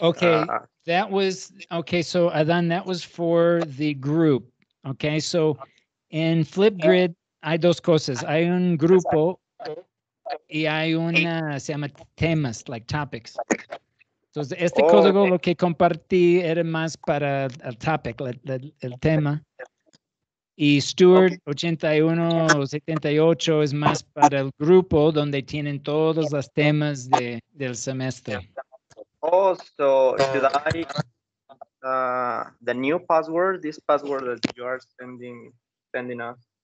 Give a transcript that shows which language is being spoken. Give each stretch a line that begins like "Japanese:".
English: okay, so Adan, that was for the group. Okay, so in Flipgrid,
Spanish: hay dos cosas. Hay un grupo y hay una, se llama temas,
English: like topics.
Spanish: Entonces, este código lo que compartí era más para el topic, el tema. Y Stuart 8178 es más para el grupo donde tienen todos los temas del semestre.
English: Oh, so should I, the new password, this password that you are sending us?